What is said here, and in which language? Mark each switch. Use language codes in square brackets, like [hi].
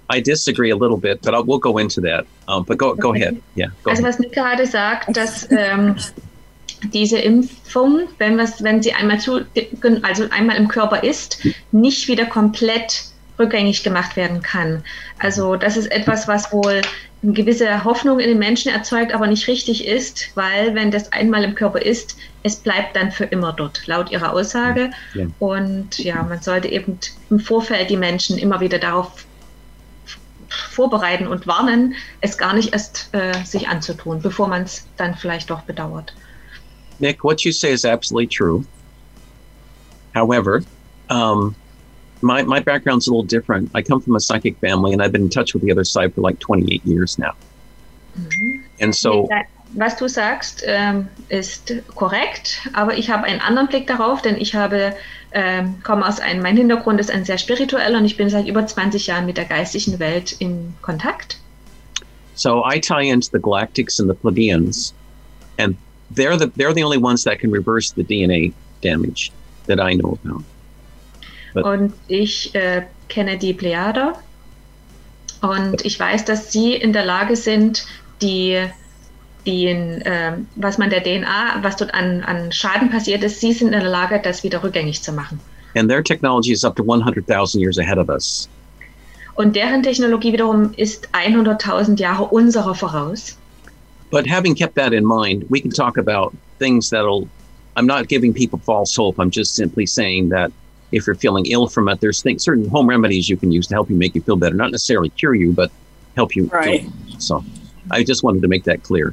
[en] I disagree a little bit, but we'll go into that. But go ahead. Yeah. Go [de] also [en] ahead. [de] Was Nick gerade sagt, dass diese Impfung, wenn sie einmal im Körper ist, nicht wieder komplett rückgängig gemacht werden kann. Also das ist etwas, was wohl eine gewisse Hoffnung in den Menschen erzeugt, aber nicht richtig ist, weil wenn das einmal im Körper ist, es bleibt dann für immer dort, laut ihrer Aussage. Ja. Und ja, man sollte eben im Vorfeld die Menschen immer wieder darauf vorbereiten und warnen, es gar nicht erst sich anzutun, bevor man es dann vielleicht doch bedauert. [en] Nick, what you say is absolutely true. However, My background's a little different. I come from a psychic family, and I've been in touch with the other side for like 28 years now. Mm-hmm. And so, [de] was du sagst ist korrekt, aber ich habe einen anderen Blick darauf, denn ich habe komme aus einem, mein Hintergrund ist ein sehr spiritueller, und ich bin seit über 20 Jahren mit der geistigen Welt in Kontakt. [en] So I tie into the Galactics and the Pleiadians, and they're the only ones that can reverse the DNA damage that I know about. [de] Und ich kenne die Plejader und ich weiß, dass sie in der Lage sind, was man der DNA, was dort an Schaden passiert ist, sie sind in der Lage, das wieder rückgängig zu machen. [en] And their technology is up to 100,000 years ahead of us. [de] Und deren Technologie wiederum ist 100,000 Jahre unserer voraus. [en] But having kept that in mind, we can talk about things that'll, I'm not giving people false hope, I'm just simply saying that if you're feeling ill from it, there's certain home remedies you can use to help you make you feel better. Not necessarily cure you, but help you. Right. So I just wanted to make that clear.